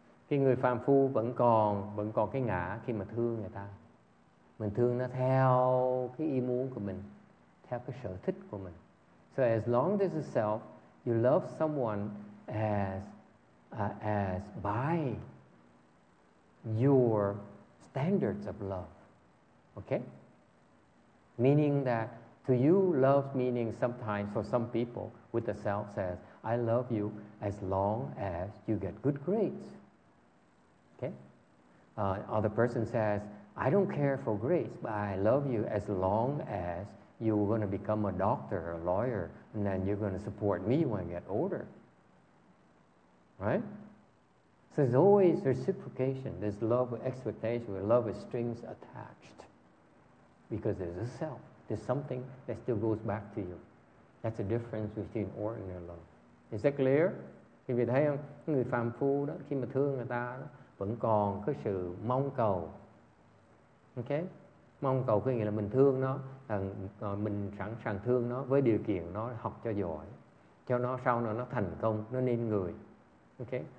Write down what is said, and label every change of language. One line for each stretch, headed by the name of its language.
Vietnamese: Cái người phàm phu vẫn còn cái ngã khi mà thương người ta. Mình thương nó theo cái ý muốn của mình, theo cái sở thích của mình.
English: So as long as it's self, you love someone as by your standards of love. Okay? Meaning that To you, love meaning sometimes for some people with the self says, I love you as long as you get good grades. Okay? Other person says, I don't care for grades, but I love you as long as you're going to become a doctor or a lawyer, and then you're going to support me when I get older. Right? So there's always reciprocation. There's love with expectation, with love with strings attached. Because there's a self. There's something that still goes back to you. That's the difference between ordinary love. Is that clear?
Vietnamese: Quý vị thấy không? Người phàm phu đó, khi mà thương người ta đó, vẫn còn cái sự mong cầu. Okay? Mong cầu có nghĩa là mình thương nó, mình sẵn sàng thương nó với điều kiện nó học cho giỏi, cho nó sau này nó thành công, nó nên người. Okay?